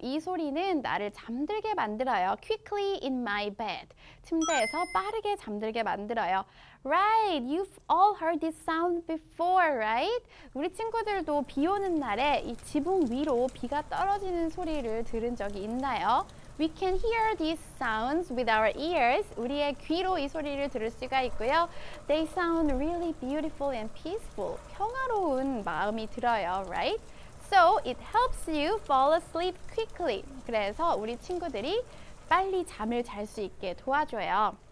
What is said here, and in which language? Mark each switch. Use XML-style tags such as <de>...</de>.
<ko>이 소리는 나를 잠들게 만들어요.</ko> <en>Quickly in my bed.</en> <ko>침대에서 빠르게 잠들게 만들어요.</ko> <en>Right, you've all heard this sound before, right?</en> <ko>우리 친구들도 비 오는 날에 이 지붕 위로 비가 떨어지는 소리를 들은 적이 있나요?</ko> <en>We can hear these sounds with our ears.</en> <ko>우리의 귀로 이 소리를 들을 수가 있고요.</ko> <en>They sound really beautiful and peaceful.</en> <ko>평화로운 마음이 들어요,</ko> <en>right? So it helps you fall asleep quickly.</en> <ko>그래서 우리 친구들이 빨리 잠을 잘 수 있게 도와줘요.</ko>